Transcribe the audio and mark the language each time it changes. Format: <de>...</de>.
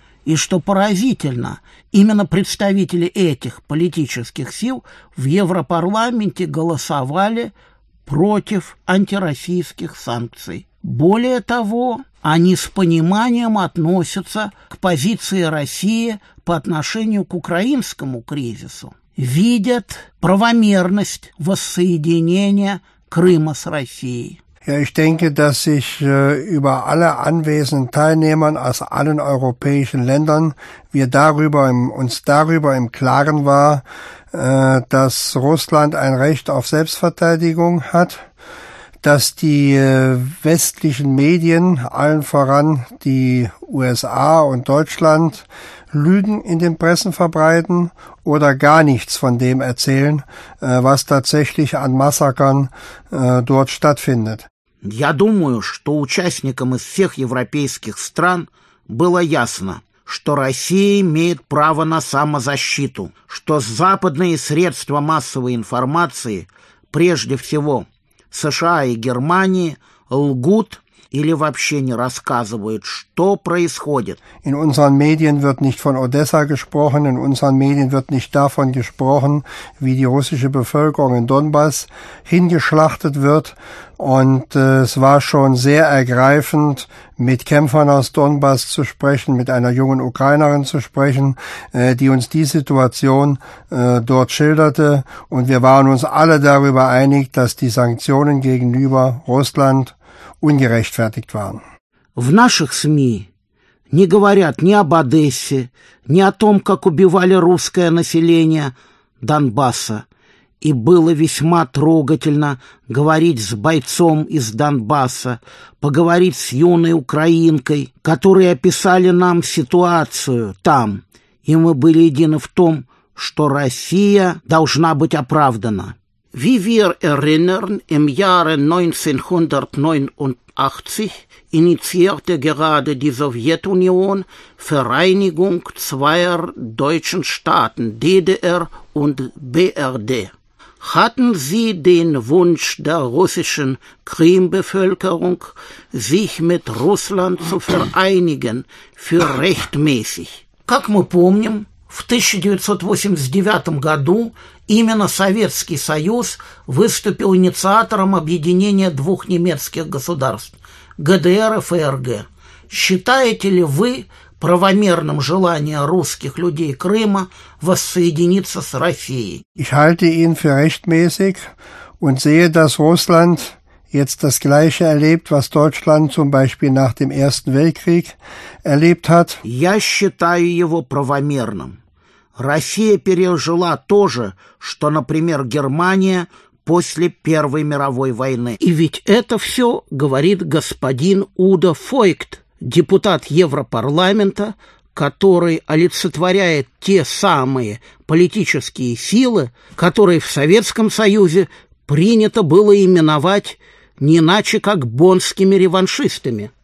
<ru>И что поразительно, именно представители этих политических сил в Европарламенте голосовали против антироссийских санкций. Более того, они с пониманием относятся к позиции России по отношению к украинскому кризису, видят правомерность воссоединения Крыма с Россией.</ru> <de>Ja, ich denke, dass sich über alle anwesenden Teilnehmern aus allen europäischen Ländern uns darüber im Klaren war, dass Russland ein Recht auf Selbstverteidigung hat, dass die westlichen Medien, allen voran die USA und Deutschland, Lügen in den Pressen verbreiten oder gar nichts von dem erzählen, was tatsächlich an Massakern dort stattfindet.</de> <ru>Я думаю, что участникам из всех европейских стран было ясно, что Россия имеет право на самозащиту, что западные средства массовой информации, прежде всего США и Германии, лгут или вообще не рассказывают, что происходит.</ru> <de>In unseren Medien wird nicht von Odessa gesprochen, in unseren Medien wird nicht davon gesprochen, wie die russische Bevölkerung in Donbass hingeschlachtet wird. Und es war schon sehr ergreifend, mit Kämpfern aus Donbass zu sprechen, mit einer jungen Ukrainerin zu sprechen, die uns die Situation dort schilderte. Und wir waren uns alle darüber einig, dass die Sanktionen gegenüber Russland ungerechtfertigt waren.</de> <ru>В наших СМИ не говорят ни об Одессе, ни о том, как убивали русское население Донбасса. И было весьма трогательно говорить с бойцом из Донбасса, поговорить с юной украинкой, которые описали нам ситуацию там. И мы были едины в том, что Россия должна быть оправдана.</ru> <de>Wie wir erinnern, im Jahre 1989 initiierte gerade die Sowjetunion Vereinigung zweier deutschen Staaten, DDR und BRD. Hatten Sie den Wunsch der russischen Krimbevölkerung, sich mit Russland zu vereinigen, für rechtmäßig?</de> <ru>Как мы помним, в 1989 году именно Советский Союз выступил инициатором объединения двух немецких государств ГДР и ФРГ. Считаете ли вы правомерным желание русских людей Крыма воссоединиться с Россией?</ru> <de>Ich halte ihn für rechtmäßig und sehe, dass Russland jetzt das Gleiche erlebt, was Deutschland zum Beispiel nach dem Ersten Weltkrieg erlebt hat.</de> <ru>Я считаю его правомерным. Россия пережила то же, что, например, Германия после Первой мировой войны. И ведь это все говорит господин Удо Фойгт, депутат Европарламента, который олицетворяет те самые политические силы, которые в Советском Союзе принято было именовать не иначе, как боннскими реваншистами.</ru>